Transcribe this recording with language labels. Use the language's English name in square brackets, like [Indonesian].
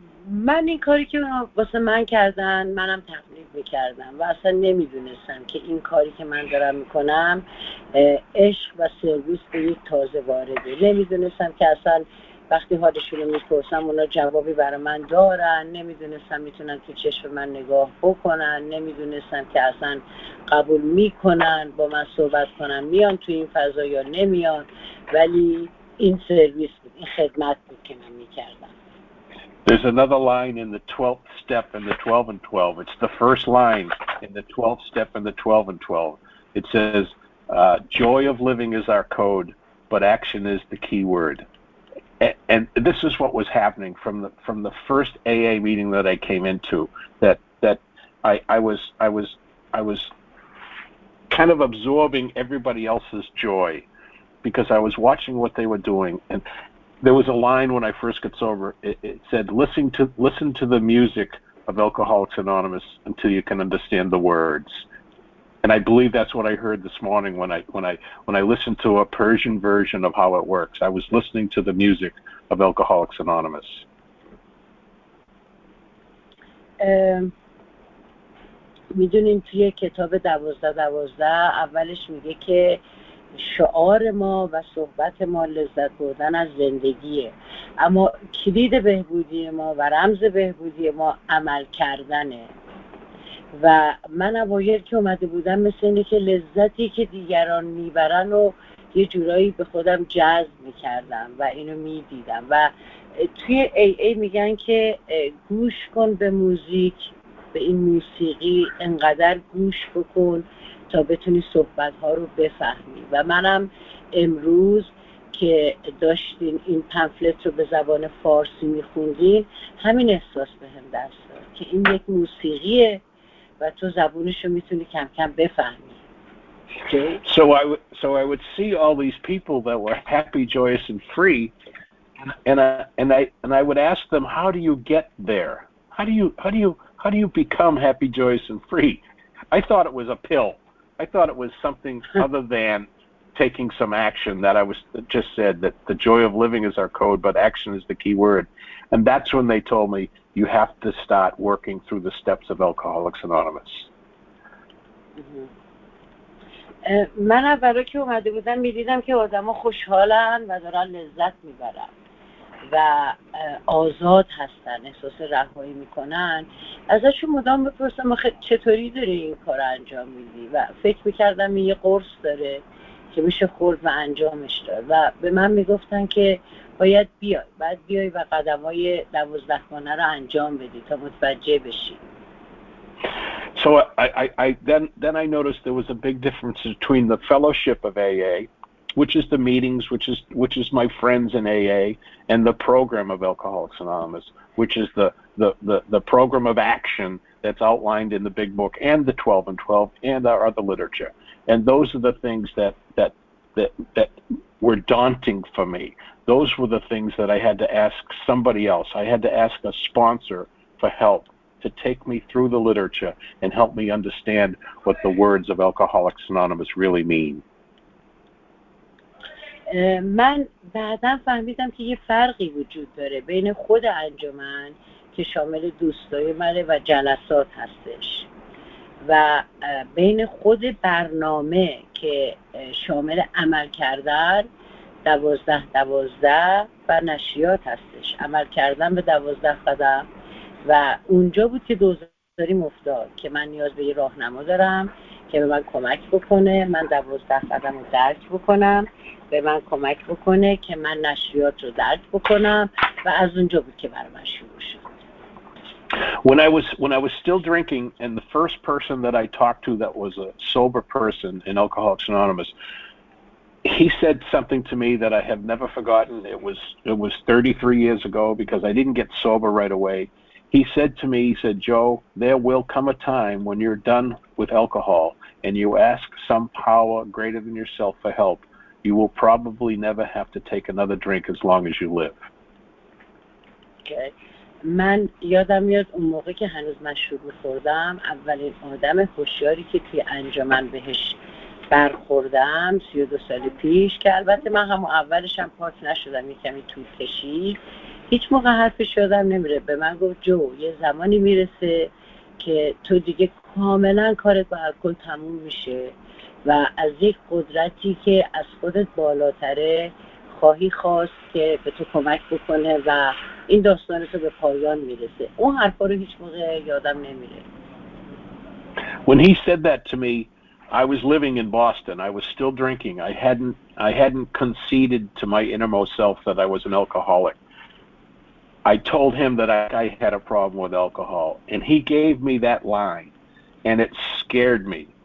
[Persian] من این کاری که اونا واسه من کردن منم تقلید میکردم و اصلا نمیدونستم که این کاری که من دارم میکنم عشق و سرویس به یک تازه وارده نمیدونستم که اصلا وقتی حالشون رو میپرسم اونا جوابی برای من دارن نمیدونستم میتونن تو چشم من نگاه بکنن نمیدونستم که اصلا قبول میکنن با من صحبت کنن میان تو این فضا یا نمیان ولی این سرویس بود این خدمت بود که من میکردم [English] There's another line in the 12th step in the 12 and 12. It's the first line in the 12th step in the 12 and 12. It says, joy of living is our code, but action is the key word. And this is what was happening from the first AA meeting that I came into, that I was kind of absorbing everybody else's joy because I was watching what they were doing and There was a line when I first got sober. It said, listen to the music of Alcoholics Anonymous until you can understand the words. And I believe that's what I heard this morning when I listened to a Persian version of how it works. I was listening to the music of Alcoholics Anonymous. [Persian] میدونین توی کتاب 12-12 اولش میگه که شعار ما و صحبت ما لذت بردن از زندگیه اما کلید بهبودی ما و رمز بهبودی ما عمل کردنه و من اوایل که اومده بودم مثل اینه که لذتی که دیگران میبرن و یه جورایی به خودم جذب میکردم و اینو میدیدم و توی AA میگن که گوش کن به موزیک به این موسیقی انقدر گوش بکن تا بتونی صحبت‌ها رو بفهمی و منم امروز که داشتین این پمفلت رو به زبان فارسی می‌خوندین همین احساس بهم دست داد که این یک موسیقیه و تو زبونش رو می‌تونی کم کم بفهمی. [English] Okay. So I would see all these people that were happy, joyous and free and I would ask them how do you get there? How do you become happy, joyous and free? I thought it was a pill. I thought it was something other than taking some action that I was that just said that the joy of living is our code, but action is the key word. And that's when they told me you have to start working through the steps of Alcoholics Anonymous. [Persian] من اول که اومده بودم می دیدم که آدم ها خوشحالن و دارن لذت می برن و آزاد هستن احساس رهایی میکنن ازشون مدام بپرسم آخه چطوری داره این کار انجام میدی و فکر میکردم این یه قرص داره که میشه خورد و انجامش داد و به من میگفتن که باید بیای و قدمای 12 خانه رو انجام بدی تا متوجه بشی [English] So then I noticed there was a big difference between the fellowship of AA which is the meetings, which is my friends in AA, and the program of Alcoholics Anonymous, which is the program of action that's outlined in the Big Book and the 12 and 12 and our other literature. And those are the things that were daunting for me. Those were the things that I had to ask somebody else. I had to ask a sponsor for help to take me through the literature and help me understand what the words of Alcoholics Anonymous really mean. [Persian] من بعداً فهمیدم که یه فرقی وجود داره بین خود انجمن که شامل دوستای منه و جلسات هستش و بین خود برنامه که شامل عمل کردن دوازده دوازده و نشریات هستش. عمل کردن به دوازده قدم و اونجا بود که دوزداریم افتاد که من نیاز به یه راهنما دارم که به من کمک بکنه من دوازده قدم رو درک بکنم، به من کمک بکنه که من نشریات رو درک بکنم و از اونجا بود که برام شروع شد. [English] When I was still drinking, and the first person that I talked to that was a sober person in Alcoholics Anonymous, he said something to me that I have never forgotten. It was 33 years ago because I didn't get sober right away. He said to me, he said, Joe, there will come a time when you're done with alcohol and you ask some power greater than yourself for help. You will probably never have to take another drink as long as you live. Okay. [Persian] من یادم میاد اون موقع که هنوز مشروب می‌خوردم اولین آدم هوشیاری که توی انجمن بهش برخوردم 32 سال پیش که البته من هم اولش هم پاس نشدم یکمی تو کشید هیچ موقع حرفش یادم نمیره به من گفت جو یه زمانی میرسه که تو دیگه کاملا کارت با الکل تموم میشه و از یک قدرتی که از خودت بالاتره خواهی خواست که به تو کمک بکنه و این داستان تو به پایان میرسه. اون حرفا رو هیچ موقع یادم نمیره. [English] When he said that to me, I was living in Boston. I was still drinking. I hadn't conceded to my innermost self that I was an alcoholic. I told him that I had a problem with alcohol, and he gave me that line, and it scared me.